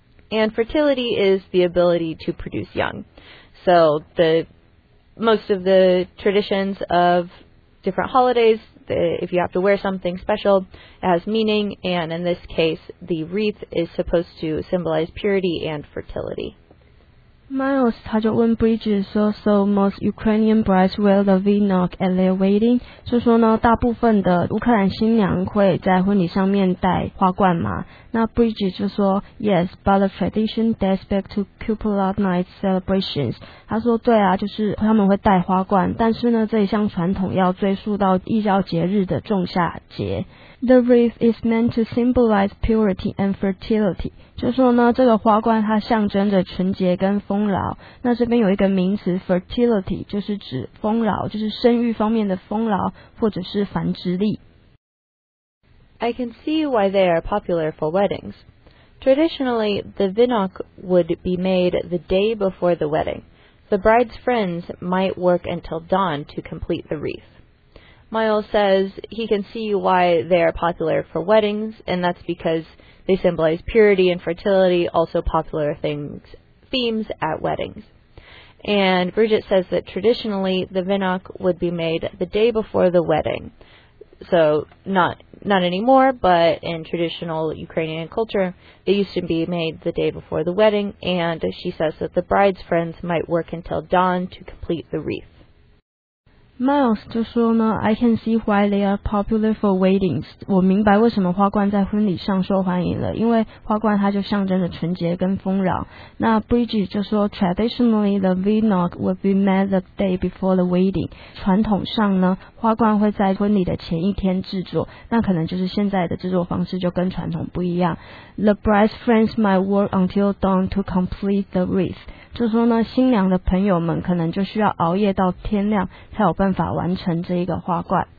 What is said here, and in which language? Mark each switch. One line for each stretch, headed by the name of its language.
English: And fertility is the ability to produce young. So most of the traditions of different holidays, if you have to wear something special, it has meaning, and in this case, the wreath is supposed to symbolize purity and fertility.
Chinese: Miles 他就问 Bridget 说,
English: so most Ukrainian brides wear the vinok at their wedding,
Chinese: 就说呢, 大部分的乌克兰新娘会在婚礼上面戴花冠吗?
English: 那 Bridget
Chinese: 就说,
English: yes, but the tradition dates back to Kupala night celebrations.
Chinese: 他说对啊, 就是他们会戴花冠, 但是呢, 这一项传统要追溯到异教节日的仲夏节。
English: The wreath is meant to symbolize purity and fertility.
Chinese: 就说呢, 这个花冠它象征着纯洁跟丰饶, 那这边有一个名词 fertility, 就是指丰饶, 就是生育方面的丰饶, 或者是繁殖力。
English: I can see why they are popular for weddings. Traditionally, the vinok would be made the day before the wedding. The bride's friends might work until dawn to complete the wreath. Miles says he can see why they are popular for weddings, and that's because they symbolize purity and fertility, also popular themes at weddings. And Bridget says that traditionally the vinok would be made the day before the wedding. So not anymore, but in traditional Ukrainian culture, it used to be made the day before the wedding, and she says that the bride's friends might work until dawn to complete the wreath. Miles
Chinese: 就说呢,
English: I can see why they are popular for weddings.
Chinese: 我明白为什么花冠在婚礼上受欢迎了, 因为花冠它就象征着纯洁跟丰饶。
English: 那 Bridget
Chinese: 就说,
English: traditionally the vinok would be made the day before the wedding.
Chinese: 传统上呢, 花冠会在婚礼的前一天制作, 那可能就是现在的制作方式就跟传统不一样。
English: The bride's friends might work until dawn to complete the wreath.
Chinese: 就说呢, 新娘的朋友们可能就需要熬夜到天亮才有办法完成这一个花冠。